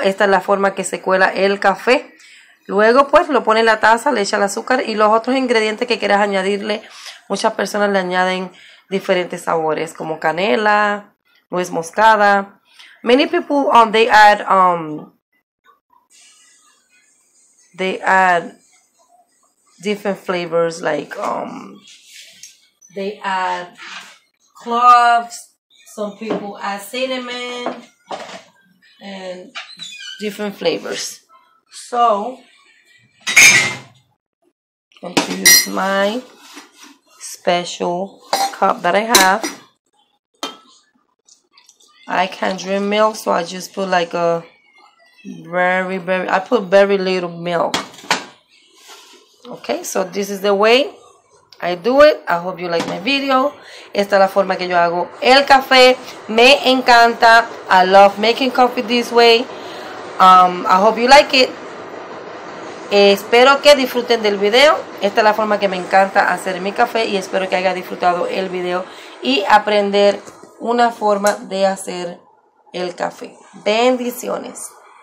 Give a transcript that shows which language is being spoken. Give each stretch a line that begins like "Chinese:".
Spanish: Esta es la forma que se cuela el café. Luego pues lo pone en la taza, le echa el azúcar y los otros ingredientes que quieras añadirle. Muchas personas le añaden diferentes sabores como canela, nuez moscada.
English: Many people they add different flavors, like they add cloves, some people add cinnamon and different flavors. So I'm going to use my special cup that I have. I can't drink milk, so I just put like a very little milk. Okay, so this is the way I do it. I hope you like my video.
Spanish: Esta es la forma que yo hago el café. Me encanta.
English: I love making coffee this way. I hope you like it.
Spanish: Espero que disfruten del video. Esta es la forma que me encanta hacer mi café y espero que haya disfrutado el video y aprender una forma de hacer el café. Bendiciones.